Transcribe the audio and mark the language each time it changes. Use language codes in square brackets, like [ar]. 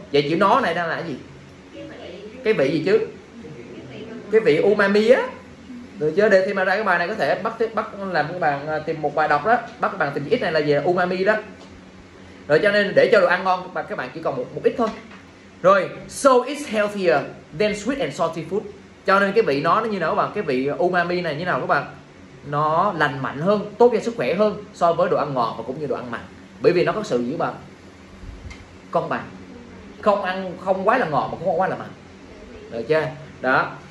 [vi] Vậy chữ nó này đang là cái gì? Cái vị gì chứ? Cái vị umami á. Được chưa? Để thêm ra cái bài này có thể bắt làm các bạn tìm một bài đọc đó, bắt các bạn tìm ít này là về umami đó. Rồi cho nên để cho đồ ăn ngon các bạn chỉ còn một ít thôi. Rồi, [en] so it's healthier than sweet and salty food. [vi] Cho nên cái vị nó như nào các bạn, cái vị umami này như nào các bạn? Nó lành mạnh hơn, tốt cho sức khỏe hơn so với đồ ăn ngọt và cũng như đồ ăn mặn. Bởi vì nó có sự giữ bằng công bằng. Không ăn không quá là ngọt mà cũng không quá là mặn. Được chưa? Đó.